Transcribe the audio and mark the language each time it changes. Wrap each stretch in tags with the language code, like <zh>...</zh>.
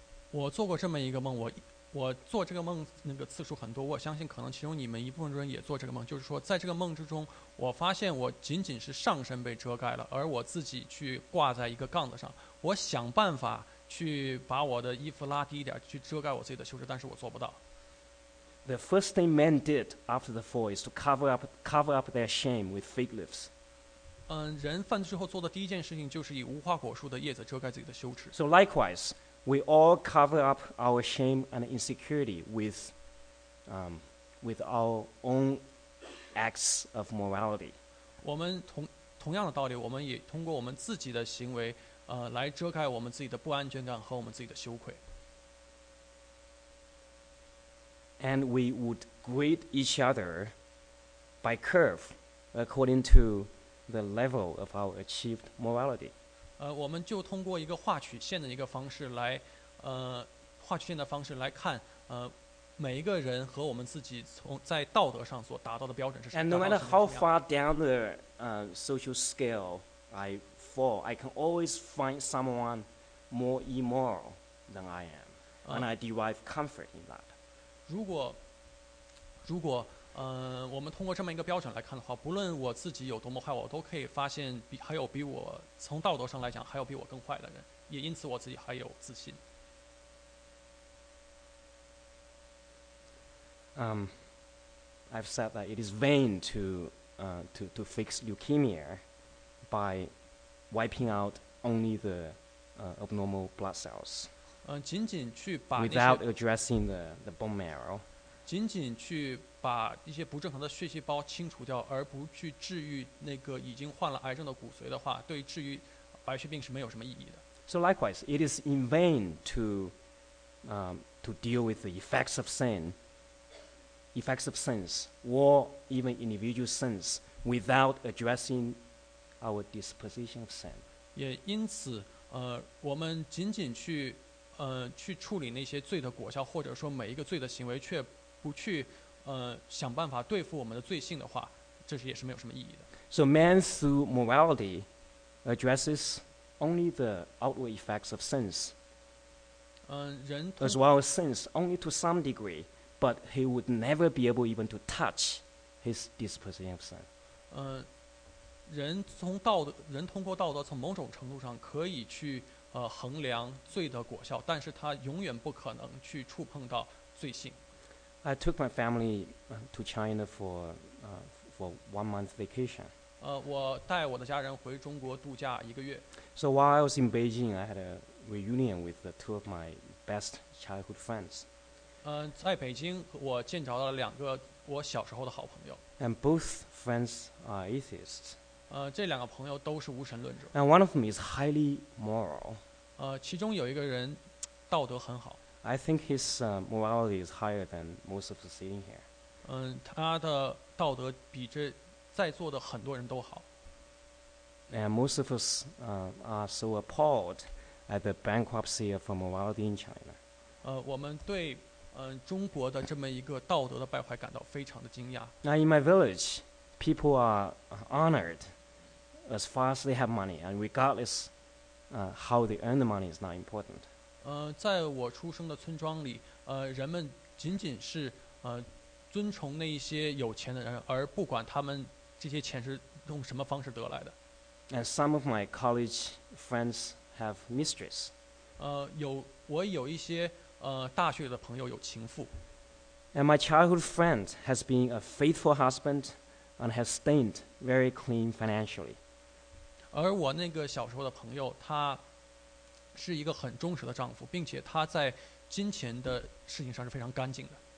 <zh>我做过这么一个梦，我做这个梦那个次数很多，我相信可能其中你们一部分人也做这个梦，就是说在这个梦之中，我发现我仅仅是上身被遮盖了，而我自己去挂在一个杠子上，我想办法去把我的衣服拉低一点去遮盖我自己的羞耻，但是我做不到。</zh> <en>The first thing men did after the fall is to cover up their shame with fig leaves.</en> <zh>人犯罪之后做的第一件事情就是以无花果树的叶子遮盖自己的羞耻。</zh> <en>So likewise,we all cover up our shame and insecurity with our own acts of morality.</en> <zh>我们同样的道理，我们也通过我们自己的行为，来遮盖我们自己的不安全感和我们自己的羞愧。</zh> <en>And we would greet each other by curve according to the level of our achieved morality.</en> <zh>我们就通过一个画曲线的一个方式来，画曲线的方式来看，每一个人和我们自己从在道德上所达到的标准是什么。</zh> <en>And no matter how far down the social scale I fall, I can always find someone more immoral than I am, and I derive comfort in that.</en> <zh>如果我们通过这么一个标准来看的话，不论我自己有多么坏，我都可以发现还有比我从道德上来讲还有比我更坏的人，也因此我自己还有自信。</zh> <en>I've said that it is vain to fix leukemia by wiping out only the abnormal blood cells.</en> <zh>仅仅去把那些</zh> <en>without addressing the bone marrow.</en> <zh>仅仅去把一些不正常的血细胞清除掉，而不去治愈那个已经患了癌症的骨髓的话，对治愈白血病是没有什么意义的。</zh> <en>So likewise, it is in vain to deal with the effects of sin, effects of sins, or even individual sins without addressing our disposition of sin.</en> <zh>也因此，我们仅仅去处理那些罪的果效，或者说每一个罪的行为，却不去想办法对付我们的罪性的话，这是也是没有什么意义的。</zh> <en>So man through morality addresses only the outward effects of sins.</en> <zh>人</zh> <en>as well as sins only to some degree, but he would never be able even to touch his disposition of sin.</en> <zh>人通过道德从某种程度上可以去衡量罪的果效，但是他永远不可能去触碰到罪性。</zh> <en>I took my family to China for 1 month vacation.</en> <zh>我带我的家人回中国度假一个月。</zh> <en>So while I was in Beijing, I had a reunion with the two of my best childhood friends.</en> <zh>在北京我见着了两个我小时候的好朋友。</zh> <en>And both friends are atheists.</en> <zh>这两个朋友都是无神论者。</zh> <en>And one of them is highly moral.</en> <zh>其中有一个人道德很好。</zh> <en>I think his morality is higher than most of the sitting here.</en> <zh>他的道德比这在座的很多人都好。</zh> <en>And most of us are so appalled at the bankruptcy of morality in China.</en> <zh>我们对中国的这么一个道德的败坏感到非常的惊讶。</zh> <en>Now in my village, people are honored as far as they have money, and regardless how they earn the money is not important.</en> <zh>在我出生的村庄里，人们仅仅是尊崇那一些有钱的人，而不管他们这些钱是用什么方式得来的。</zh> <en>And some of my college friends have mistress.</en> <zh>我有一些大学的朋友有情妇。</zh> <en>And my childhood friend has been a faithful husband and has stayed very clean financially.</en> <zh>而我那个小时候的朋友，他是一个很忠实的丈夫，并且他在金钱的事情上是非常干净的。</zh>